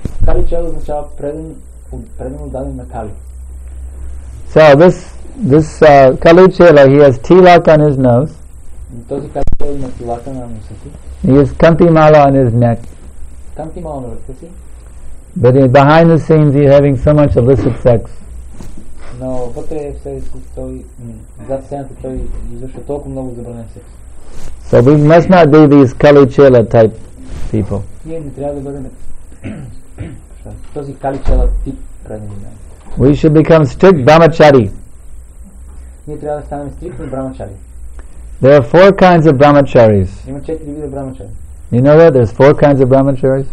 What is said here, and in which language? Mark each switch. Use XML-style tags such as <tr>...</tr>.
<bg>Kali Chela означава преден отдаден на Kali.</bg> <en>So this Kali Chela, he has tilak on his nose.</en> <bg>Този Kali Chela има тилака на носа</bg> <en>си. He has kanti mala on his neck.</en> <bg>Kanti mala на носа си.</bg> <en>But behind the scenes, he's having so much illicit sex.</en> <bg>No, вътре в себе си той, зад сцената той извършва толкова много забранен секс.</bg> <en>So we must not be these Kali Chela type people.</en> <bg>Ние не трябва да бъдем този Kali Chela тип предмет.</bg> <en>We should become strict brahmachari.</en> <bg>Ние трябва да станем стриктни брамачари.</bg> <en>There are four kinds of brahmacharis.</en> <bg>Има четири вида брамачари.</bg> <en>You know that? There's four kinds of brahmacharis.</en>